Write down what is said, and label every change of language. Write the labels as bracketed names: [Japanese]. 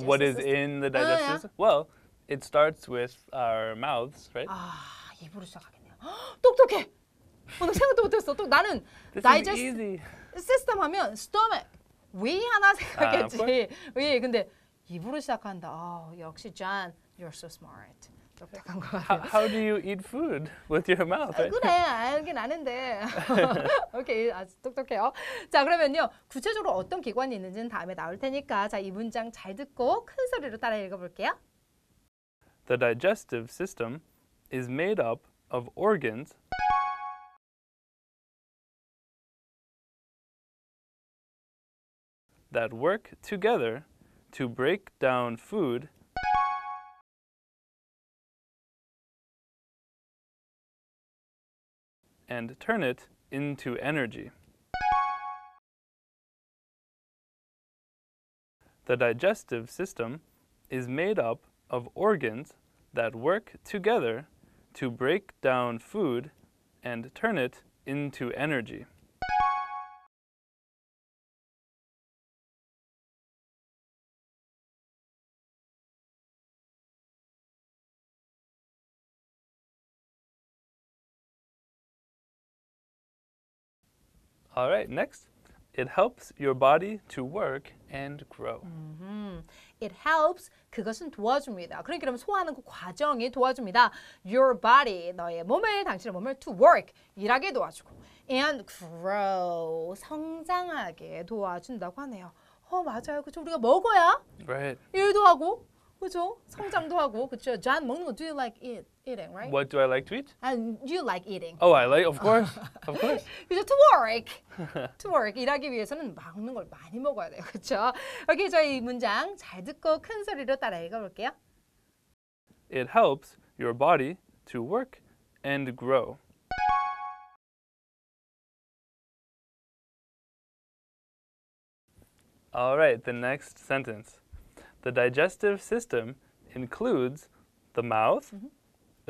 [English] Oh, what is in the digestive system? Well, it starts with our mouths, right? [Korean] 아, 입으로 시작하겠네요. 똑똑해! 오늘 생각도 못했어. 또 나는 [English] digestive system [Korean] 하면 stomach, 위 하나 생각했지. 위, 근데 입으로 시작한다. 아, 역시 John, [English] you're so smart. [Korean] 똑똑한 것 같아요. [English] How do you eat food with your mouth? Right? [Korean] 그래, 알긴 아는데. 오케이, 아주 똑똑해요. 자, 그러면요. 구체적으로 어떤 기관이 있는지는 다음에 나올 테니까 자, 이 문장 잘 듣고 큰 소리로 따라 읽어볼게요. [English] The digestive system is made up of organs that work together to break down food and turn it into energy. The digestive system is made up of organs that work together to break down food and turn it into energy. 알라이트, 넥스트. It helps your body to work and grow. It helps, [Korean] 그것은 도와줍니다. 그러니까 소화하는 그 과정이 도와줍니다. [English] Your body, [Korean] 너의 몸을, 당신의 몸을 [English] to work, [Korean] 일하게 도와주고 [English] and grow, [Korean] 성장하게 도와준다고 하네요. 맞아요. 그렇죠? 우리가 먹어야 [English] right. [Korean] 일도 하고 그죠? 성장도 하고 그죠? [English] John, [Korean] 먹는 거 [English] do you like eating, right? What do I like to eat? And you like eating. Oh, I like, of course, of course. [Korean] 그죠? [English] To work, to work. [Korean] 일하기 위해서는 먹는 걸 많이 먹어야 돼요, 그죠? 여기 저희 문장 잘 듣고 큰 소리로 따라 읽어볼게요. [English] It helps your body to work and grow. All right, the next sentence. The digestive system includes the mouth, mm-hmm.